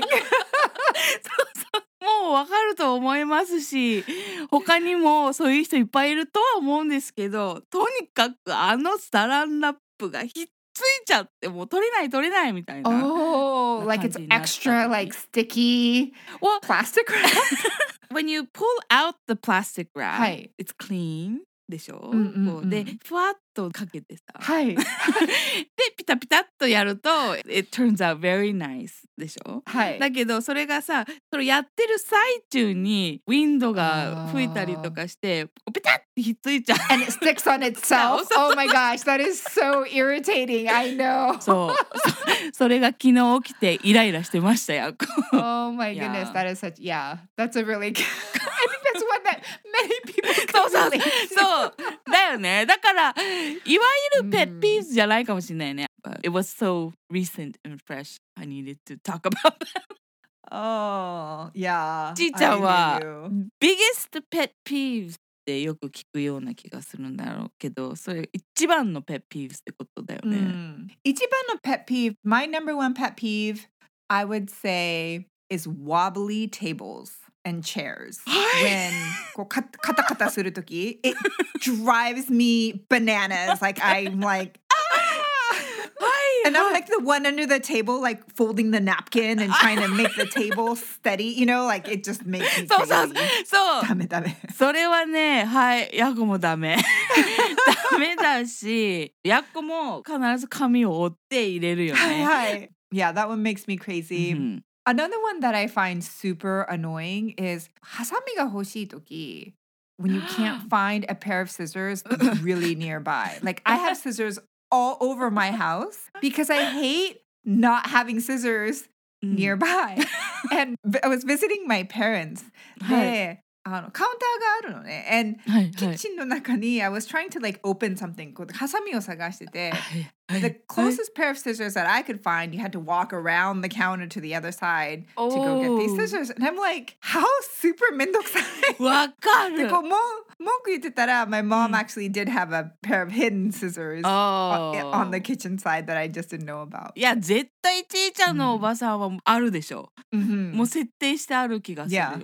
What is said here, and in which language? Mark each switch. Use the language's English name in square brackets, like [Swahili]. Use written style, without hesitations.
[Japanese] そうそう、もうわかると思いますし、他にもそういう人いっぱいいるとは思うんですけど、とにかくあのサランラップがひっついちゃって、もう取れない取れないみたいな。 [English] Oh, like it's extra like sticky plastic wrap. When you pull out the plastic wrap, it's clean, [Japanese] でしょ? で、ふわっとかけてさ。はい。で、ピタピタっとやると、 [English] it turns out very nice, [Japanese] でしょ? はい。だけど、それがさ、それやってる最中に、ウィンドが吹いたりとかして、ピタッてひっついちゃう。 [English] And it sticks on itself. Oh my gosh, that is so irritating, I know. [Japanese] そう。それが昨日起きてイライラしてましたよ。 [English] Oh my goodness, yeah. That is such, yeah, that's a really good, I think that's one that many people can relate to. [Japanese] そう、だよね。だから、いわゆるペッピーズじゃないかもしれないね。 [English] But it was so recent and fresh, I needed to talk about that. Oh, yeah. [Japanese] ちーちゃんは、 [English] biggest pet peeves [Japanese] ってよく聞くような気がするんだろうけど、それ一番のペッピーズってことだよね。一番のペッピーズ、 [English] my number one pet peeve, I would say, is wobbly tables and chairs. When [Japanese] こうカタカタするとき、 [English] it drives me bananas. Like, I'm like, ah! [Japanese] はい、 [English] And I'm like the one under the table, like folding the napkin and trying to make the table steady. You know, like it just makes me crazy. [Japanese] そうそうそう。ダメダメ。それはね、はい、ヤコもダメ。ダメだし、ヤコも必ず髪を折って入れるよね。 [English] はい。Yeah, that one makes me crazy. Mm-hmm. Another one that I find super annoying is [Japanese] hasami ga hoshii toki. [English] When you can't find a pair of scissors really nearby. Like, I have scissors all over my house because I hate not having scissors nearby. And I was visiting my parents. [Japanese] カウンターがあるのね。 [English] And [Japanese] キッチンの中に [English] I was trying to like open something. [Japanese] ハサミを探してて。 [English] The closest pair of scissors that I could find, you had to walk around the counter to the other side to go get these scissors. And I'm like, how super [Japanese] めんどくさい。わかる。で、こう、文句言ってたら、 [English] my mom actually did have a pair of hidden scissors on the kitchen side that I just didn't know about. [Japanese] いや、絶対ちいちゃんのおばさんはあるでしょ。もう設定してある気がするよ。